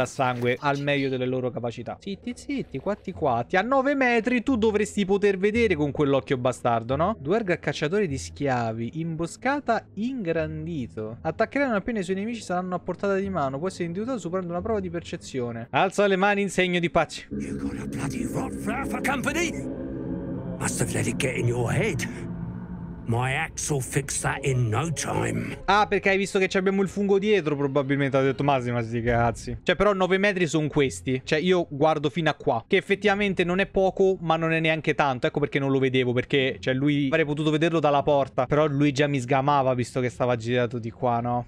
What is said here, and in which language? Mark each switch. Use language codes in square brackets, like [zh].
[it] a sangue al meglio delle loro capacità. Zitti, zitti, quatti quatti. A 9 metri tu dovresti poter vedere con quell'occhio bastardo, no? Dwerg cacciatore di schiavi, imboscata ingrandito. Attaccheranno appena i suoi nemici saranno a portata di mano. Può essere individuato superando una prova di percezione. Alza le mani in segno di pace. [en] Must have let it get in your head. My axe will fix that in no time. [it] Ah, perché hai visto che ci abbiamo il fungo dietro, probabilmente, ha detto Masi, ma sti cazzi. Cioè, però 9 metri sono questi. Cioè, io guardo fino a qua. Che effettivamente non è poco, ma non è neanche tanto. Ecco perché non lo vedevo, perché, cioè, lui avrei potuto vederlo dalla porta. Però lui già mi sgamava, visto che stava girato di qua, no?